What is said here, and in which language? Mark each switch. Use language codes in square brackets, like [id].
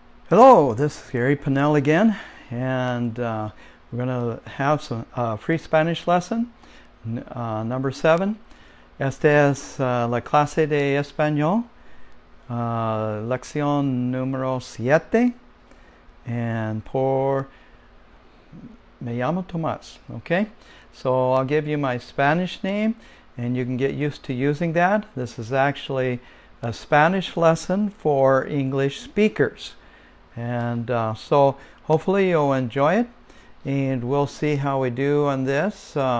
[en] Hello, this is Gary Panell again, and we're going to have some free Spanish lesson, number 7. [es] Esta es la clase de español, lección número 7, and me llamo Tomás, okay? [en] So I'll give you my Spanish name, and you can get used to using that. This is actually a Spanish lesson for English speakers. And so hopefully you'll enjoy it, and we'll see how we do on this.